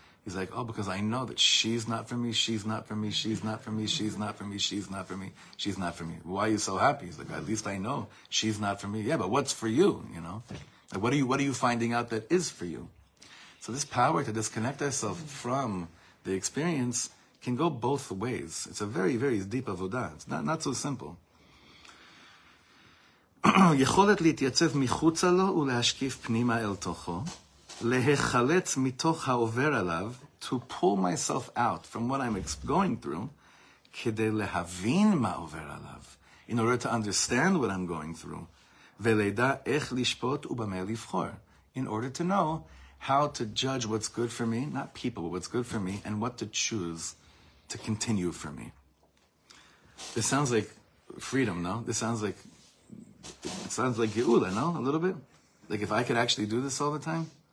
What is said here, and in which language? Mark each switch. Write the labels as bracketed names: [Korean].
[English] He's like, oh, because I know that she's not for me, she's not for me, she's not for me, she's not for me, she's not for me, she's not for me. Why are you so happy? He's like, at least I know she's not for me. Yeah, but what's for you, you know? Like, what are you finding out that is for you? So this power to disconnect ourselves from the experience can go both ways. It's a very, very deep avodah. It's not so simple. [Hebrew] יכולת להתייצב מחוץ לו ולהשקיף פנימה אל תוכו. להיחלץ מתוך העובר עליו, [English] to pull myself out from what I'm going through, [Hebrew] כדי להבין מה עובר עליו, [English] in order to understand what I'm going through, [Hebrew] ולדע איך לשפוט ובמה לבחור, [English] in order to know how to judge what's good for me, not people, but what's good for me, and what to choose to continue for me. This sounds like freedom, no? It sounds like Geula, no? A little bit? Like if I could actually do this all the time?